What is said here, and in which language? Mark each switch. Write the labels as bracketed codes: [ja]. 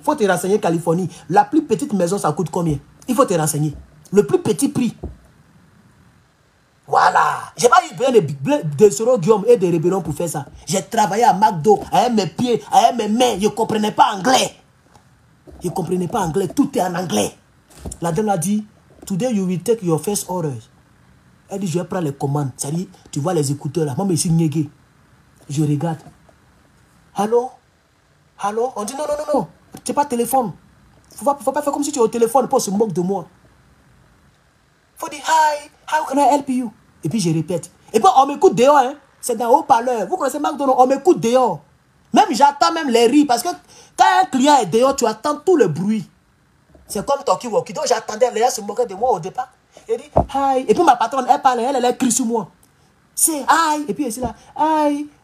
[fr] Faut te renseigner, Californie. La plus petite maison, ça coûte combien? Il faut te renseigner. Le plus petit prix. Voilà. Je n'ai pas eu besoin de Soro Guillaume et de Rébellon pour faire ça. J'ai travaillé à McDo, à mes pieds, à mes mains. Je ne comprenais pas anglais. Je ne comprenais pas anglais. Tout est en anglais. La dame a dit, [en] today you will take your first order. [fr] Elle dit, je vais prendre les commandes. Ça dit, tu vois les écouteurs là. Moi, je suis négé. Je regarde. Allô? Allô? On dit, non. Tu n'es pas téléphone. Faut pas faire comme si tu es au téléphone. Pour se moquer de moi. Faut dire, [en] hi, how can I help you? [fr] Et puis je répète. Et puis on m'écoute dehors. Hein. C'est dans haut-parleur. Vous connaissez McDonald's? On m'écoute dehors. Même j'attends même les rires. Parce que quand un client est dehors, tu attends tout le bruit. C'est comme talkie-walkie. Donc j'attendais. Les gens se moquaient de moi au départ. Elle dit, hi. Et puis ma patronne, elle parle. Elle crie sur moi. C'est hi. Et puis elle dit là, hi.